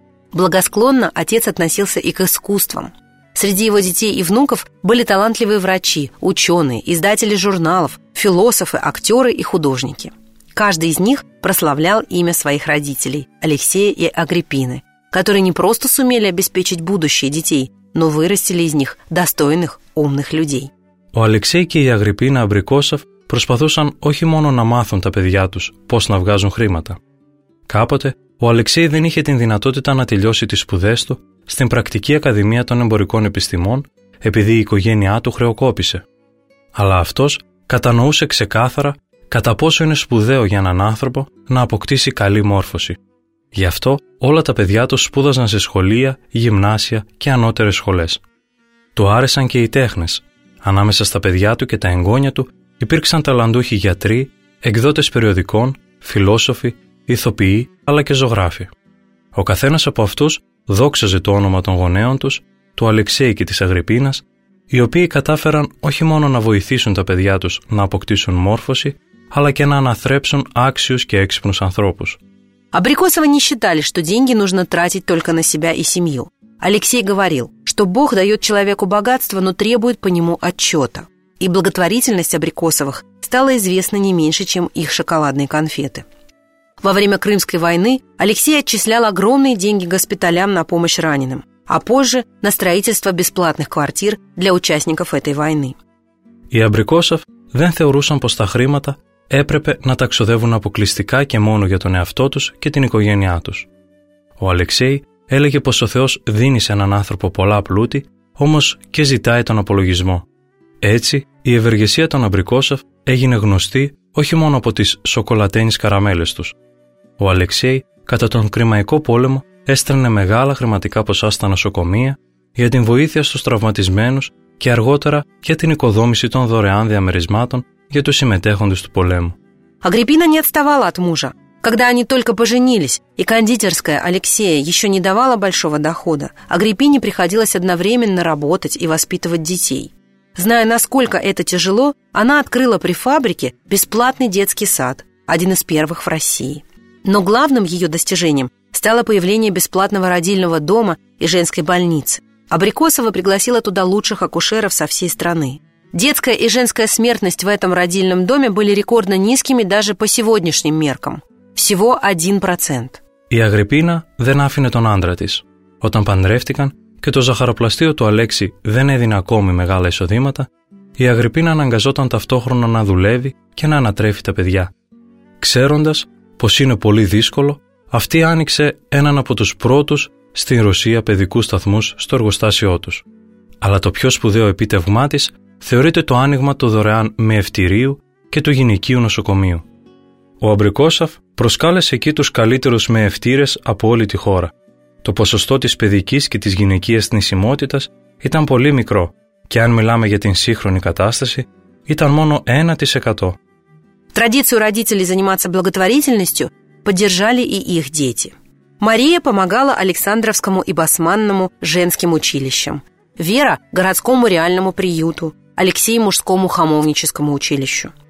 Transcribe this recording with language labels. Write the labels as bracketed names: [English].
[Russian] Благосклонно отец относился и к искусствам. Среди его детей и внуков были талантливые врачи, ученые, издатели журналов, философы, актеры и художники. Каждый из них прославлял имя своих родителей – Алексея и Агриппины, которые не просто сумели обеспечить будущее детей, но вырастили из них достойных, умных людей. У Алексея и Агриппины Абрикосов [Greek] προσπαθούσαν όχι μόνο να μάθουν τα παιδιά τους πώς να βγάζουν χρήματα. Κάποτε, ο Αλεξέη δεν είχε την δυνατότητα να τελειώσει τις σπουδές του στην Πρακτική Ακαδημία των Εμπορικών Επιστημών, επειδή η οικογένειά του χρεοκόπησε. Αλλά αυτός κατανοούσε ξεκάθαρα κατά πόσο είναι σπουδαίο για έναν άνθρωπο να αποκτήσει καλή μόρφωση. Γι' αυτό όλα τα παιδιά του σπούδαζαν σε σχολεία, γυμνάσια και ανώτερες σχολές. Του άρεσαν και οι τέχνες. Ανάμεσα στα παιδιά του και τα εγγόνια του, υπήρξαν ταλαντούχοι γιατροί, εκδότες περιοδικών, φιλόσοφοι, ηθοποιοί αλλά και ζωγράφοι. Ο καθένας από αυτούς δόξαζε το όνομα των γονέων τους, του Αλεξέη και της Αγριππίνας, οι οποίοι κατάφεραν όχι μόνο να βοηθήσουν τα παιδιά τους να αποκτήσουν μόρφωση, αλλά και να αναθρέψουν άξιους και έξυπνους ανθρώπους. [Russian] Абрикосовы не считали, что деньги нужно тратить только на себя и семью. Алексей говорил, что Бог дает человеку богатство, но требует по нему отчета. И благотворительность Абрикосовых стала известна не меньше, чем их шоколадные конфеты. Во время Крымской войны Алексей отчислял огромные деньги госпиталям на помощь раненым, а позже на строительство бесплатных квартир для участников этой войны. [Greek] Οι Абрикосовы δεν θεωρούσαν πως τα χρήματα έπρεπε να τα ξοδεύουν αποκλειστικά και μόνο για τον εαυτό τους και την οικογένειά τους. Ο Αλεξέη έλεγε πως ο Θεός δίνει σε έναν άνθρωπο πολλά πλούτη, όμως και ζητάει τον απολογισμό. Έτσι, η ευεργεσία των Αμπρικόσοφ έγινε γνωστή όχι μόνο από τις σοκολατένιες καραμέλες τους. Ο Αλεξέη, κατά τον Κρυμαϊκό πόλεμο, έστρενε μεγάλα χρηματικά ποσά στα νοσοκομεία για την βοήθεια στους τραυματισμένους και αργότερα για την οικοδόμηση των δωρεάν διαμερισμάτων για τους συμμετέχοντες του πολέμου. [Russian] Αγριππίνα не отставала от мужа. Когда они только поженились, и кондитерская Алексея еще не давала большого дохода, Агриппине приходилось одновременно работать и воспитывать детей. Зная, насколько это тяжело, она открыла при фабрике бесплатный детский сад, один из первых в России. Но главным ее достижением стало появление бесплатного родильного дома и женской больницы. Абрикосова пригласила туда лучших акушеров со всей страны. Детская и женская смертность в этом родильном доме были рекордно низкими даже по сегодняшним меркам. Всего 1%. [Greek] Η Αγριππίνα δεν άφηνε τον άντρα της. Όταν παντρεύτηκαν και το ζαχαροπλαστείο του Αλέξη δεν έδινε ακόμη μεγάλα εισοδήματα, η Αγριππίνα αναγκαζόταν ταυτόχρονα να δουλεύει και να ανατρέφει τα παιδιά. Ξέροντας πως είναι πολύ δύσκολο, αυτή άνοιξε έναν από τους πρώτους στην Ρωσία παιδικούς σταθμούς στο εργοστάσιο τους. Αλλά το πιο σπουδαίο επίτευγμά της θεωρείται το άνοιγμα του δωρεάν μαιευτηρίου και του γυναικείου νοσοκομείου. Ο Αμπρικόσοφ προσκάλεσε εκεί τους καλύτερους μαιευτήρες από όλη τη χώρα. Το ποσοστό της παιδικής και της γυναικείας θνησιμότητας ήταν πολύ μικρό και αν μιλάμε για την σύγχρονη κατάσταση, ήταν μόνο 1%. [Russian] Традицию родителей заниматься благотворительностью поддержали и их дети. Мария помогала Александровскому и Басманному женским училищам. Вера – городскому реальному приюту, Алексей – мужскому хамовническому училищу.